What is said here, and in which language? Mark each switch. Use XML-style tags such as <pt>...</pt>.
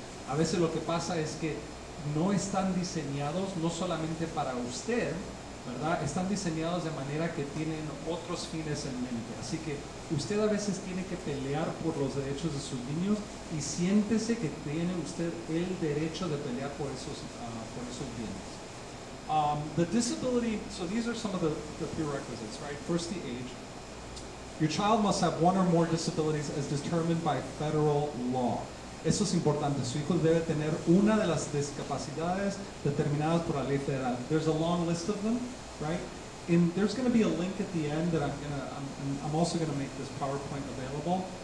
<es>A veces lo que pasa es que no están diseñados, no solamente para usted, ¿verdad? Están diseñados de manera que tienen otros fines en mente. Así que usted a veces tiene que pelear por los derechos de sus niños, y siéntese que tiene usted el derecho de pelear por esos bienes.</es> <en>The disability, so these are some of the prerequisites, right? First, the age. Your child must have one or more disabilities as determined by federal law.</en> <es>Eso es importante. Su hijo debe tener una de las discapacidades determinadas por la ley federal.</es> <en>There's a long list of them, right? And there's going to be a link at the end that I'm also going to make this PowerPoint available.</en>